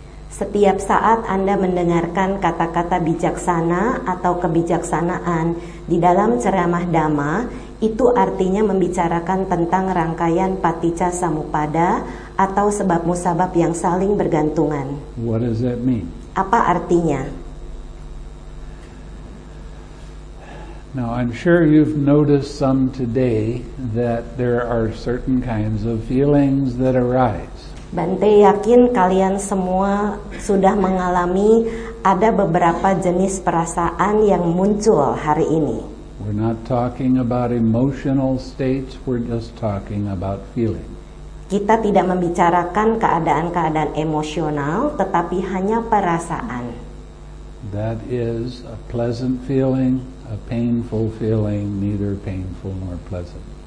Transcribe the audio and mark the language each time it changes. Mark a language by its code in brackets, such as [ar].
[id] Setiap saat Anda mendengarkan kata-kata bijaksana atau kebijaksanaan di dalam ceramah Dhamma, itu artinya membicarakan tentang rangkaian paticca samuppada atau sebab-musabab yang saling bergantungan. [en] What does that mean? [id] Apa artinya? [en] Now, I'm sure you've noticed some today that there are certain kinds of feelings that arise. [id] Bante yakin kalian semua sudah mengalami ada beberapa jenis perasaan yang muncul hari ini. [en] We're not talking about emotional states, we're just talking about feelings. [id] Kita tidak membicarakan keadaan-keadaan emosional, tetapi hanya perasaan. [en] That is a pleasant feeling. A painful feeling, neither painful nor pleasant.